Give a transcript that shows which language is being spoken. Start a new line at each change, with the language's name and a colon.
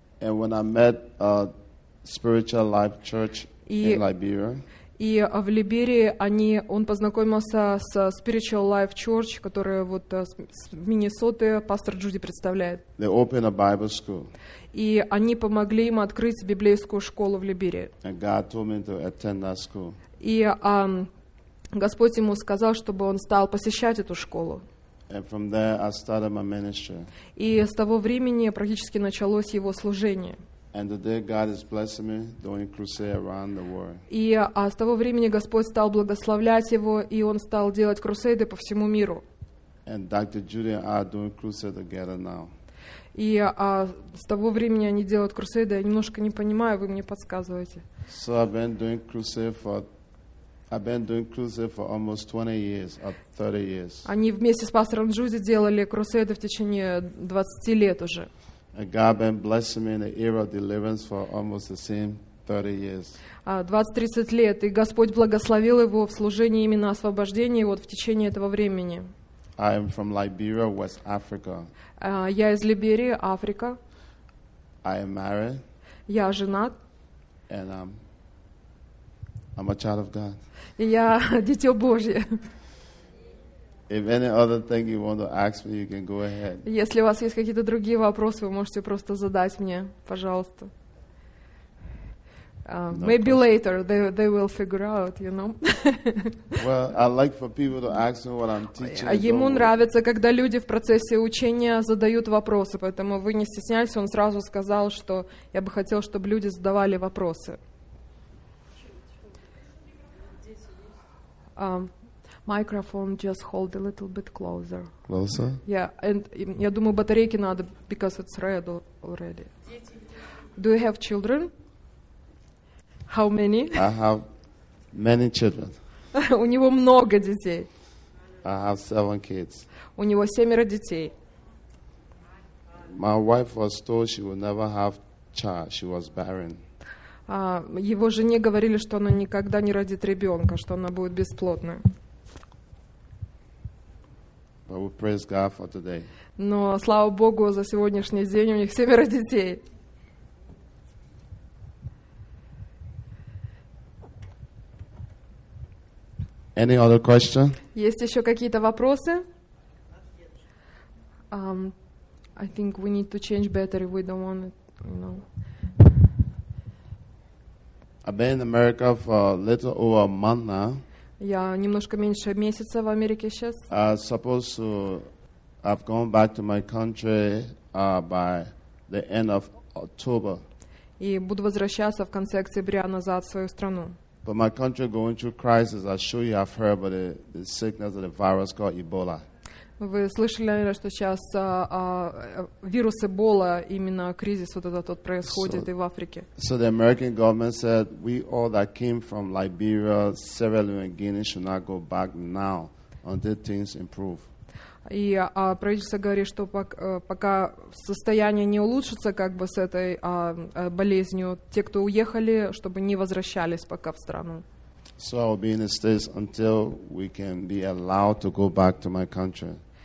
English: And when I met a spiritual life church in Liberia.
Russian: И в Либерии он познакомился с Spiritual Life Church, которая вот с Миннесоты пастор Джуди представляет.
English: They opened a Bible school.
Russian: И они помогли им открыть библейскую школу в Либерии.
English: And God told me to attend that school.
Russian: И Господь ему сказал, чтобы он стал посещать эту школу.
English: And from there I started my ministry.
Russian: И с того времени практически началось его служение.
English: And today God is blessing me doing crusade around the world.
Russian: И с того времени Господь стал благословлять его, и он стал делать крусейды по всему миру.
English: And Dr. Judy and I are doing crusade together now.
Russian: И с того времени они делают крусейды. Я немножко не понимаю, вы мне подсказываете.
English: So I've been doing crusade for almost 20 years or 30 years.
Russian: Они вместе с пастором Джуди делали крусейды в течение 20 лет уже.
English: And God been blessing me in the era of deliverance for almost the same 30 years.
Russian: 20-30 лет, и Господь благословил его в служении именно освобождения вот в течение этого времени.
English: I am from Liberia, West Africa.
Russian: Я из Либерии, Африка.
English: I am married.
Russian: Я женат.
English: And I'm a child of God.
Russian: И я дитя Божье.
English: If any other thing you want to ask me, you can go ahead.
Russian: Если у вас есть какие-то другие вопросы, вы можете просто задать мне, пожалуйста.
English: Maybe later they will figure out, you know. Well, I like for people to ask me what I'm teaching.
Russian: Ему нравится, когда люди в процессе учения задают вопросы, поэтому вы не стесняйтесь, он сразу сказал, что я бы хотел, чтобы люди задавали вопросы.
English: Microphone, just hold a little bit closer. Closer? Yeah, and
Russian: я думаю, батарейки надо,
English: because it's red already. Do you have children? How many? I have many children.
Russian: У него много детей.
English: I have 7 kids.
Russian: У него 7 детей.
English: My wife was told she would never have child. She was barren.
Russian: Его жене говорили, что она никогда не родит ребенка, что она будет бесплодной.
English: But we praise God for today.
Russian: Но слава Богу за сегодняшний день, у них 7 детей.
English: Any other question?
Russian: Есть еще какие-то вопросы?
English: I think we need to change battery. We don't want it, you know. I've been in America for a little over a month now.
Russian: Я немножко меньше месяца в Америке сейчас.
English: I've gone back to my country by the end of October.
Russian: И буду возвращаться в конце октября назад в свою страну.
English: But my country going through crisis. I'm sure you have heard about the sickness of the virus called Ebola.
Russian: Вы слышали, наверное, что сейчас вирус Эбола, именно кризис вот этот вот происходит и в Африке.
English: So the American government said, we all that came from Liberia, Sierra Leone, and Guinea should not go back now until things improve.
Russian: И правительство говорит, что пока состояние не улучшится как бы с этой болезнью, те, кто уехали, чтобы не возвращались пока в страну.
English: So I'll be in the States until we can be allowed to go back to my country.